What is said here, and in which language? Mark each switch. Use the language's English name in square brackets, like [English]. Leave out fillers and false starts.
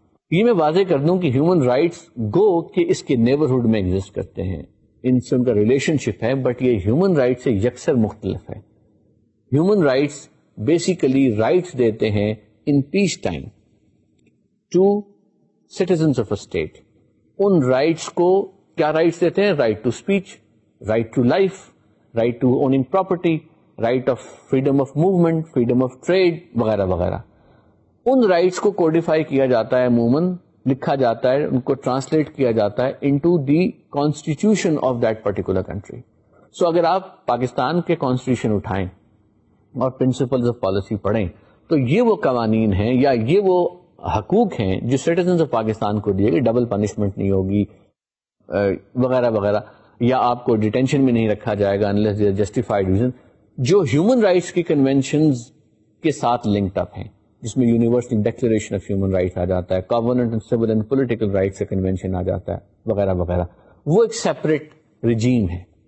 [Urdu] یہ میں واضح کر دوں کہ ہیومن رائٹس گو کہ اس کے نیبرہڈ میں ایگزسٹ کرتے ہیں, ان سے ان کا ریلیشن شپ ہے, بٹ یہ ہیومن رائٹس سے یکسر مختلف ہے. [English] human rights basically rights [Urdu] دیتے ہیں [English] In peace time to citizens of a state. [Urdu] In rights کو کیا رائٹس دیتے ہیں, [English] right to speech, right to life, right to owning property, right of freedom of movement, freedom of trade, [Urdu] وغیرہ وغیرہ. ان rights کو codify کیا جاتا ہے عموماً, لکھا جاتا ہے, ان کو ٹرانسلیٹ کیا جاتا ہے [English] Into the constitution of that particular country. [Urdu] سو اگر آپ پاکستان کے کانسٹیٹیوشن اٹھائیں اور پرنسپلز آف پالیسی پڑھیں تو یہ وہ قوانین ہیں یا یہ وہ حقوق ہیں جو سٹیزنز آف پاکستان کو دیے گئے, ڈبل پنشمنٹ نہیں ہوگی وغیرہ وغیرہ, یا آپ کو ڈیٹینشن میں نہیں رکھا جائے گا [English] unless there justified reason, [Urdu] جو ہیومن رائٹس کی کنونشنز کے ساتھ لنکڈ اپ ہیں, جس میں universal declaration of human rights آ جاتا ہے, covenant on civil and political rights کا کنونشن آ جاتا ہے وغیرہ وغیرہ, وہ ایک سیپریٹ رجیم ہے.